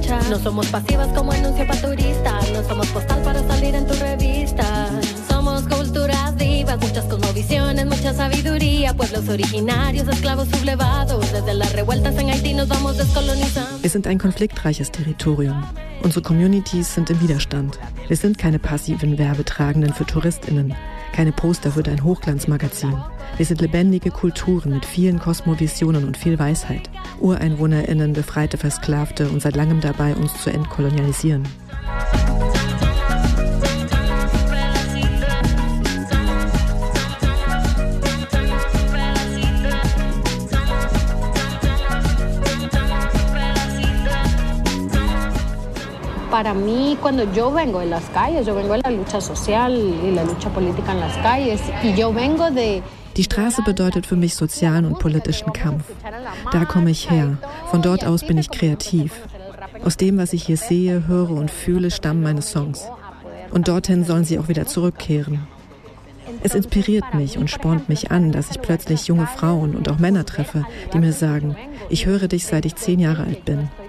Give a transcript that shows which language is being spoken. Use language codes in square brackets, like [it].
[es] No somos pasivas como anuncio para turistas, no somos postal para salir en tu revista. Somos culturas vivas, muchas cosmovisiones, mucha sabiduría, pueblos originarios, esclavos sublevados. Desde las revueltas en Haití nos vamos descolonizando. [de] Wir sind ein konfliktreiches Territorium. Unsere Communities sind im Widerstand. Wir sind keine passiven Werbetragenden für TouristInnen, keine Poster für dein Hochglanzmagazin. Wir sind lebendige Kulturen mit vielen Kosmovisionen und viel Weisheit. UreinwohnerInnen, Befreite, Versklavte und seit langem dabei, uns zu entkolonialisieren. [es] Para mí, cuando yo vengo de las calles, yo vengo de la lucha social y la lucha política en las calles, y yo vengo de... [de] Die Straße bedeutet für mich sozialen und politischen Kampf. Da komme ich her. Von dort aus bin ich kreativ. Aus dem, was ich hier sehe, höre und fühle, stammen meine Songs. Und dorthin sollen sie auch wieder zurückkehren. Es inspiriert mich und spornt mich an, dass ich plötzlich junge Frauen und auch Männer treffe, die mir sagen, ich höre dich, seit ich 10 Jahre alt bin.